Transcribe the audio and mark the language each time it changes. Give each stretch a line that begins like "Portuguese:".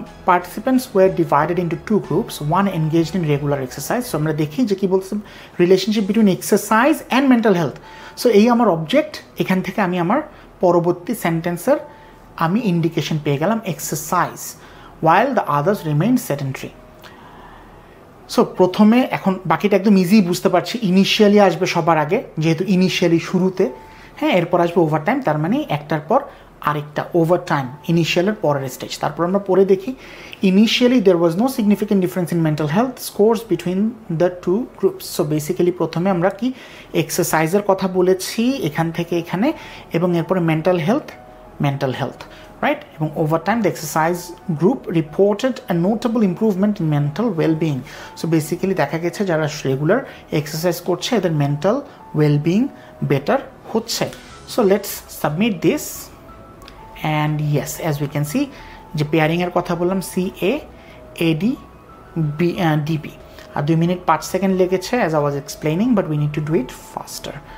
English: Participants were divided into two groups, one engaged in regular exercise. So,
Bangla: আমরা দেখি যে কি বলছে,
English: relationship between exercise and mental health.
Bangla: So, এই আমার অবজেক্ট, এখান থেকে আমি আমার পরবর্তী সেন্টেন্সের আমি ইন্ডিকেশন পেয়ে গেলাম, exercise,
English: while the others remained sedentary.
Bangla: So প্রথমে এখন বাকিটা একদম ইজি বুঝতে পারছি, ইনিশিয়ালি আসবে সবার আগে, যেহেতু ইনিশিয়ালি শুরুতে, হ্যাঁ, এরপর আসবে ওভার টাইম, তার মানে একটার পর আরেকটা, ওভার টাইম ইনিশিয়ালের পরের স্টেজ।
English: তারপর আমরা পরে দেখি, initially there was no significant difference in mental health scores between the two groups.
Bangla: So basically প্রথমে আমরা কি এক্সারসাইজের কথা বলেছি এখান থেকে এখানে, এবং এরপরে mental health, mental health, right?
English: এবং over time the exercise group reported a notable improvement in mental wellbeing.
Bangla: So basically দেখা গেছে যারা রেগুলার এক্সারসাইজ করছে এদের মেন্টাল ওয়েলবিং বেটার হচ্ছে।
English: so let's submit this, and yes, as we can see,
Bangla: je pairing er kotha bollam,
English: CA AD DP, a 2 minute 5 second legeche as I was explaining, but we need to do it faster.